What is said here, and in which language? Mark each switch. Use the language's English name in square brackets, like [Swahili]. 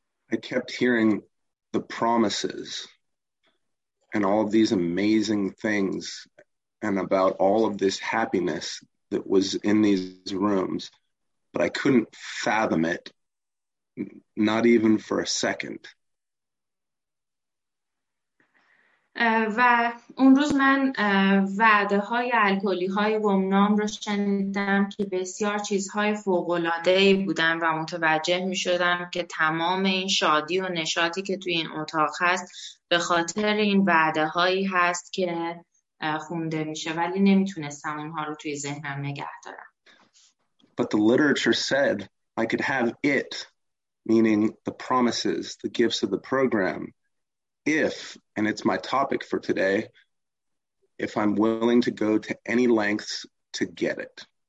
[English] I kept hearing the promises and all of these amazing things and about all of this happiness that was in these rooms, but I couldn't fathom it, not even for a second. [Persian] و اون روز من وعده های الکلی های گمنام رو شنیدم که بسیار چیزهای فوق العاده ای بودن و متوجه می شدم که تمام این شادی و نشاطی که توی این اتاق هست به خاطر این وعده هایی هست که خونده میشه، ولی نمیتونستم اونها رو توی ذهنم نگه دارم. [English] But the literature said I could have it, meaning the promises, the gifts of the program, if, and it's my topic for today, if I'm willing to go to any lengths to get it.